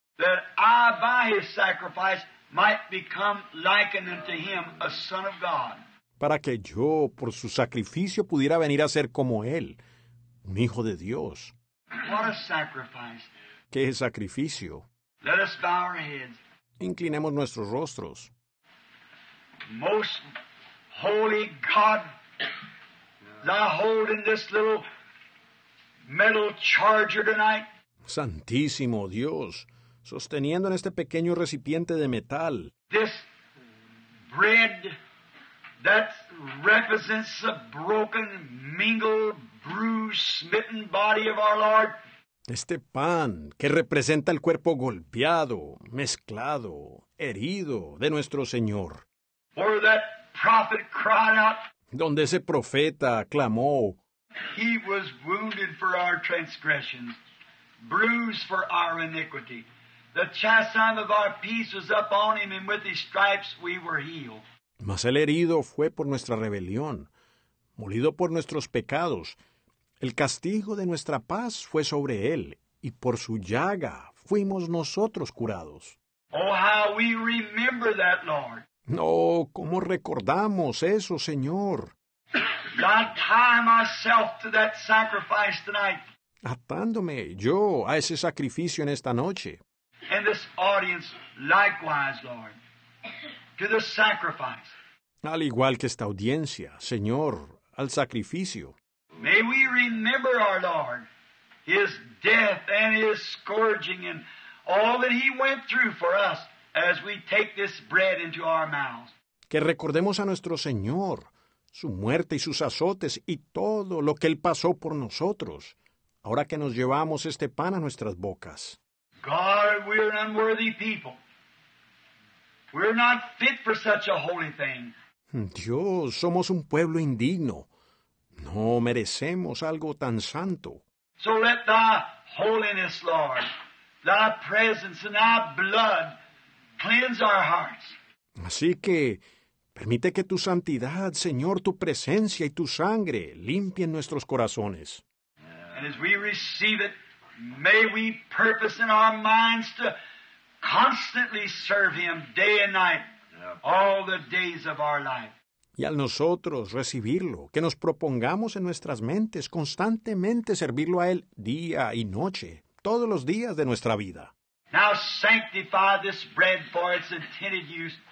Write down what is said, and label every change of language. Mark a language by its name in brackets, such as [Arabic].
[English] That I by his sacrifice might become likened unto him a son of God. [Spanish] Para que yo por su sacrificio pudiera venir a ser como él, un hijo de Dios. [English] What a sacrifice. [Spanish] Qué sacrificio. [English] Let us bow our heads. [Spanish] Inclinemos nuestros rostros. [English] Most holy God, I hold in this little metal charger tonight. [Spanish] Santísimo Dios, sosteniendo en este pequeño recipiente de metal. [English] This bread that represents the broken, mingled, bruised, smitten body of our Lord. [Spanish] Este pan que representa el cuerpo golpeado, mezclado, herido de nuestro Señor. [English] Where that prophet cried out. [Spanish] Donde ese profeta clamó, [English] he was wounded for our transgressions, bruised for our iniquity. The chastisement of our peace was upon him, and with his stripes we were healed. [Spanish] Mas el herido fue por nuestra rebelión, molido por nuestros pecados. El castigo de nuestra paz fue sobre él, y por su llaga fuimos nosotros curados. [English] Oh, how we remember that, Lord. [Spanish] No, ¿cómo recordamos eso, Señor? [English] I tie myself to that sacrifice tonight. [Spanish] Atándome yo a ese sacrificio en esta noche. [English] and this audience likewise, Lord, to the sacrifice. [Spanish] Al igual que esta audiencia, Señor, al sacrificio. [English] May we remember our Lord, His death and His scourging and all that He went through for us as we take this bread into our mouths. [Spanish] Que recordemos a nuestro Señor, su muerte y sus azotes y todo lo que Él pasó por nosotros, ahora que nos llevamos este pan a nuestras bocas. [English] God, we're an unworthy people. We're not fit for such a holy thing. [Spanish] Dios, somos un pueblo indigno. No merecemos algo tan santo. [English] So let thy holiness, Lord, thy presence and thy blood cleanse our hearts. [Spanish] Así que, permite que tu santidad, Señor, tu presencia y tu sangre limpien nuestros corazones. [English] And as we receive it, may we purpose in our minds to constantly serve Him day and night, all the days of our life. [Spanish] Y al nosotros recibirlo, que nos propongamos en nuestras mentes constantemente servirlo a Él día y noche, todos los días de nuestra vida. [English] Now sanctify this bread for its intended use.